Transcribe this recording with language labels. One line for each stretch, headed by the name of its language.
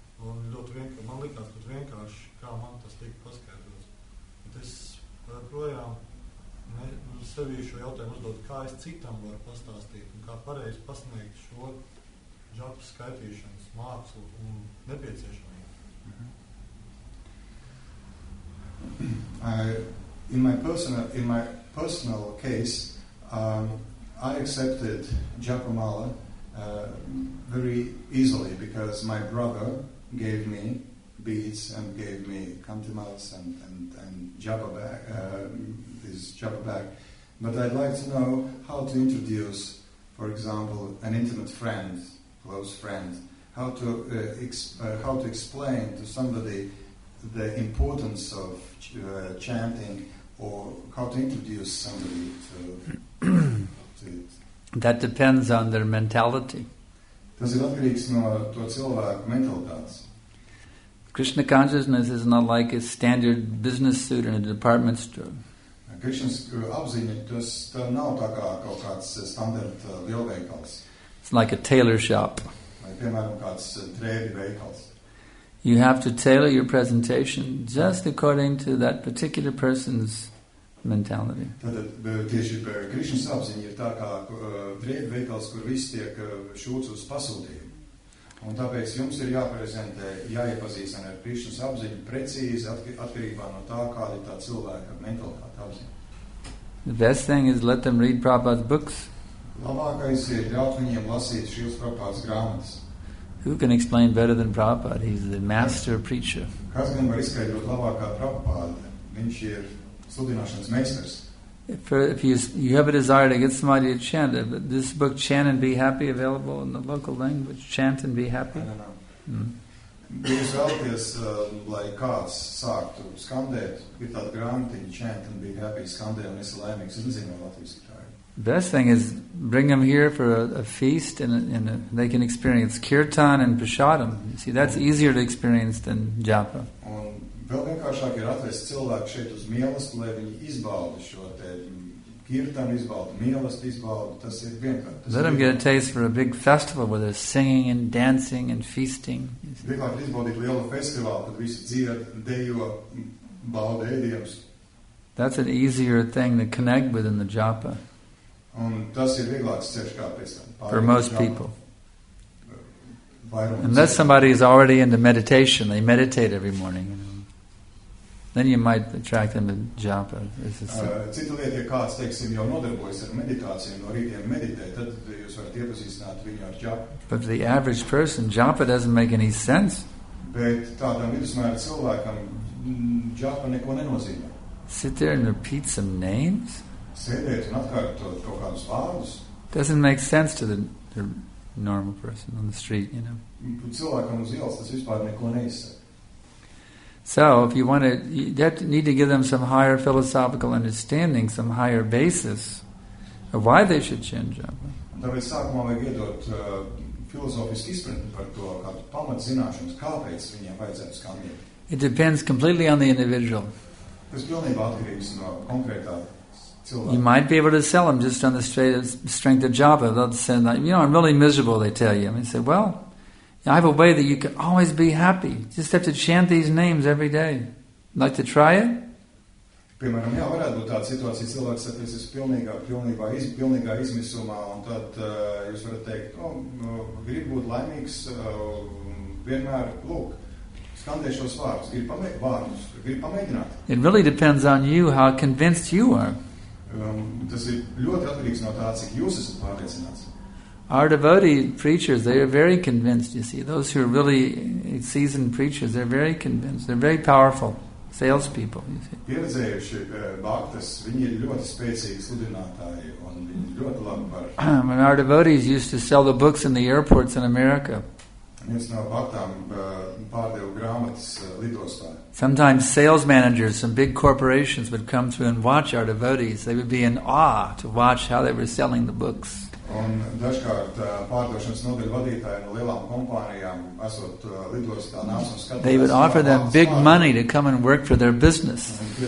Latvian: Un ļoti vienkārši, man likās pat vienkārši, kā man tas tika paskaidrots. Bet es projām sevī šo jautājumu uzdot, kā es citam varu pastāstīt un kā pareizi pasniegt šo džapas skaitīšanas mākslu un nepieciešamību.
English: In my personal case, I accepted Japa Mala very easily because my brother gave me beads and gave me kantimals and Japa bag, this Japa bag. But I'd like to know how to introduce, for example, an intimate friend, close friend, how to explain to somebody the importance of chanting, or how to introduce somebody to... That depends on their mentality.
Latvian: Tas ir atkarīgs no to cilvēku mentalitātes.
English: Krishna consciousness is not like a standard business suit in a department store.
Latvian: Krishna's apziņa, tā nav tā kā kaut kāds standard lielveikals.
English: It's like a tailor shop.
Latvian: Vai, piemēram, kāds trēdi veikals.
English: You have to tailor your presentation just according to that particular person's mentality.
Latvian: Tātad, tieši par Krišņas apziņa ir tā kā drēbi veikals, kur viss tiek šūts uz pasūtījumu. Un tāpēc jums ir jāprezentē, jāiepazīstam ar Krišņas apziņu precīzi atkarībā no tā, kāda ir tā cilvēka mentalitāte apziņa.
English: The best thing is let them read Prabhupāda's books.
Latvian: Labākais ir ļaut viņiem lasīt Šīlas Prabhupādas grāmatas.
English: Who can explain better than Prabhupāda? He's the master preacher.
Latvian: Kas gan var izskaidrot labāk kā Prabhupāda? Viņš ir sludināšanas meistars.
English: If you have a desire to get somebody to chant, but this book Chant and Be Happy available in the local language, Chant and Be Happy? No.
Latvian: Jūs vēlaties, lai kāds sāktu skandēt, ir tāda grāmatiņa Chant and Be Happy, skandēt un esi laimīgs, es nezinu, latviski tā ir.
English: Best thing is bring them here for a feast and they can experience kirtan and prasadam. See, that's easier to experience than japa.
Latvian: Vēl vienkāršāk ir atvest cilvēku šeit uz mielastu, lai viņi izbaudu šo te kirtanu, izbaudu mielastu, izbaudu. Tas ir vienkārši.
English: Let them get a taste for a big festival where they're singing and dancing and feasting.
Latvian: Vienkārši izbaudīt lielu festivālu, kad visi dzied, dejo, baudu ēdienus.
English: That's an easier thing to connect with in the japa.
Latvian: Un tas ir vieglāks ceļš kā pēc tam.
English: For most people. Unless somebody is already into meditation, they meditate every morning. Then you might attract them to japa.
Latvian: Cita lieta, ja kāds, teiksim, jau nodarbojas ar meditāciju, no rītiem meditē, tad jūs varat iepazīstināt viņu ar japa.
English: But the average person, japa doesn't make any sense.
Latvian: Bet tādam vidusmēra cilvēkam japa neko nenozīmē.
English: Sit there and repeat some names?
Latvian: sēdēt un atkārtot kaut kādus vārdus.
English: Doesn't make sense to the normal person on the street, you know.
Latvian: Cilvēkam uz ielas tas vispār neko neizsaka.
English: So, if you want to, you need to give them some higher philosophical understanding, some higher basis of why they should chant japa.
Latvian: Tāpēc sākumā vajag iedot filozofisku izpratni par to, kādu pamatzināšanas, kāpēc viņiem vajadzētu skandēt.
English: It depends completely on the individual.
Latvian: Tas pilnībā atkarīgs no konkrētā cilvēka.
English: You might be able to sell them just on the strength of japa. They'll say, you know, I'm really miserable, they tell you. And you say, well, I have a way that you can always be happy. Just have to chant these names every day. Like to try it?
Latvian: Piemēram, jā, varētu būt tāda situācija, cilvēks saties, es pilnīgā izmisumā, un tad jūs varat teikt, grib būt laimīgs, vienmēr, lūk, skandē šos vārdus, grib pamēģināt.
English: It really depends on you, how convinced you are.
Latvian: Tas ir ļoti atkarīgs no tā, cik jūs esat pārliecināts.
English: Our devotee preachers, they are very convinced, you see. Those who are really seasoned preachers, they're very convinced. They're very powerful salespeople, you see.
Latvian: Pieredzējuši bhaktas, viņi ir ļoti spēcīgi sludinātāji, un viņi ir ļoti labi var.
English: And our devotees used to sell the books in the airports in America.
Latvian: Viens no bhaktām pārdevu grāmatas lidostā.
English: Sometimes sales managers from big corporations would come through and watch our devotees. They would be in awe to watch how they were selling the books.
Latvian: Un dažkārt pārdošanas nodeļu vadītāji no lielām kompānijām esot lidostā nāc un skatās.
English: They would offer them big money to come and work for their business.